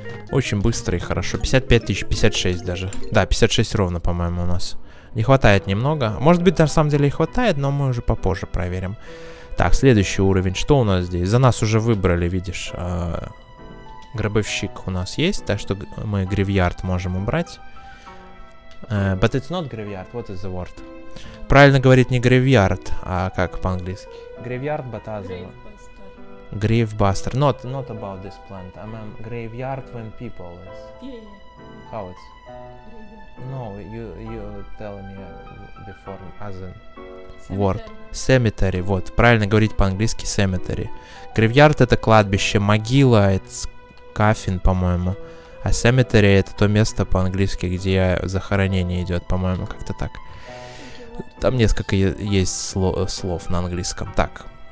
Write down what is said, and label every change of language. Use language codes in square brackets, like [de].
[ru] Очень быстро и хорошо. 55 тысяч, 56 даже. Да, 56 ровно, по-моему, у нас. Не хватает немного. Может быть, на самом деле и хватает, но мы уже попозже проверим. Так, следующий уровень. Что у нас здесь? За нас уже выбрали, видишь. Гробовщик у нас есть, так что мы гривьярд можем убрать. [en] But it's not graveyard, what is the word? [ru] Правильно говорить не graveyard, а как по-английски? [en] Graveyard, but other... Gravebuster. Not about this plant. I mean graveyard when people is. Yeah. How it's? No, you tell me before other word. [ru] Cemetery, вот. Правильно говорить по-английски cemetery. Graveyard это кладбище, могила это coffin, по-моему. А cemetery это то место по-английски, где захоронение идет, по-моему, как-то так. Там несколько есть слов на английском. Так.